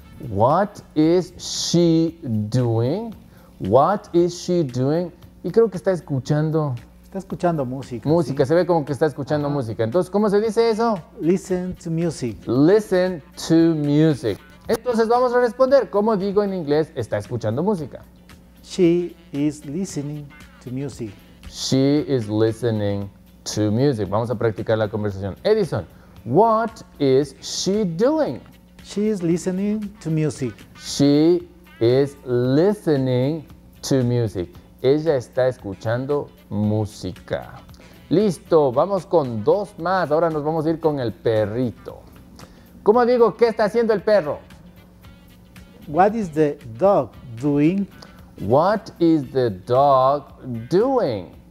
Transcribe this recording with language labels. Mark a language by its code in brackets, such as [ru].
[en] What is she doing? What is she doing? [es] Y creo que está escuchando. Está escuchando música. Música, ¿sí? Se ve como que está escuchando música. Entonces, ¿cómo se dice eso? [en] Listen to music. Listen to music. [es] Entonces, vamos a responder. ¿Cómo digo en inglés está escuchando música? [en] She is listening to music. She is listening to music. [es] Vamos a practicar la conversación. [en] Edison, what is she doing? She is listening to music. She is listening to music. [es] Ella está escuchando música. Listo, vamos con dos más. Ahora nos vamos a ir con el perrito. ¿Cómo digo qué está haciendo el perro? [en] What is the dog doing? What is the dog doing?